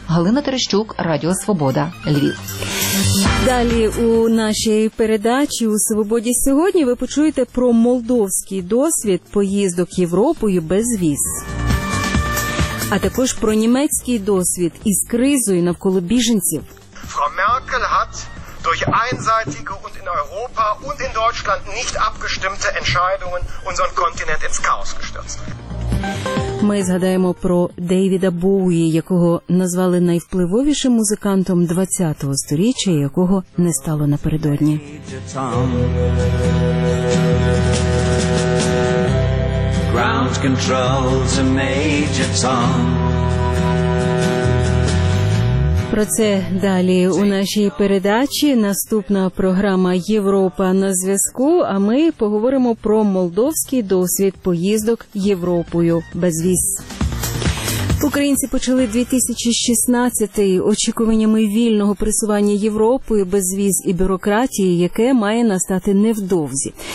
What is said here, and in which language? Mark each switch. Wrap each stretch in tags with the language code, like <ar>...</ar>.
<uk>Галина Терещук, Радіо Свобода, Львів. Далі у нашій передачі «У Свободі сьогодні» ви почуєте про молдовський досвід поїздок Європою без віз. А також про німецький досвід із кризою навколо біженців.</uk> <de>Frau Merkel hat durch einseitige und in Europa und in Deutschland nicht abgestimmte Entscheidungen unseren Kontinent ins Chaos gestürzt.</de> <uk>Ми згадаємо про Дейвіда Боуї, якого назвали найвпливовішим музикантом 20-го століття, якого не стало напередодні.</uk> <en>Ground control to Major Tom.</en> <uk>Про це далі у нашій передачі. Наступна програма «Європа на зв'язку», а ми поговоримо про молдовський досвід поїздок Європою без віз. Українці почали 2016-й очікуваннями вільного пересування Європою без віз і бюрократії, яке має настати невдовзі.</uk>